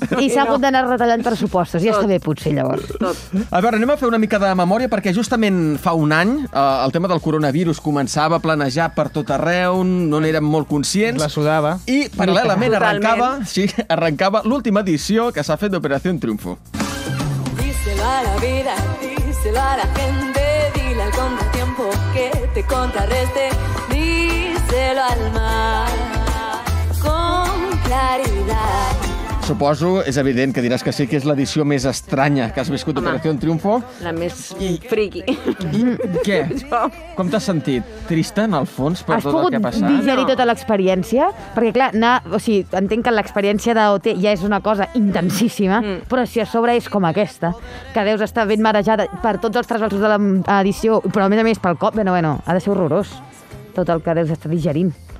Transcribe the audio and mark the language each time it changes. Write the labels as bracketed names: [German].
[Catalan] I s'ha hagut d'anar retallant pressupostos. Ja està bé, potser, llavors. Tot. A veure, anem a fer una mica de memòria, perquè justament fa un any el tema del coronavirus començava a planejar per tot arreu, no n'érem molt conscients. La sudava. I paral·lelament arrencava l'última edició que s'ha fet d'Operació Triunfo. [Spanish] a la vida, díselo a la gente, dile al contratiempo que te contrarreste, díselo al mar con claridad. [Catalan] Suposo, és evident que diràs que sí, que és l'edició més estranya que has viscut d'Operación Triunfo. La més friki. Què? Com t'has sentit? Trista, en el fons, per has tot el que ha passat? Has pogut digerir tota l'experiència? Perquè, clar, entenc que l'experiència d'OT ja és una cosa intensíssima, però si a sobre és com aquesta, que deus estar ben marejada per tots els trasbalsos de l'edició, però a més pel cop, bueno, ha de ser horrorós tot el que deus estar digerint.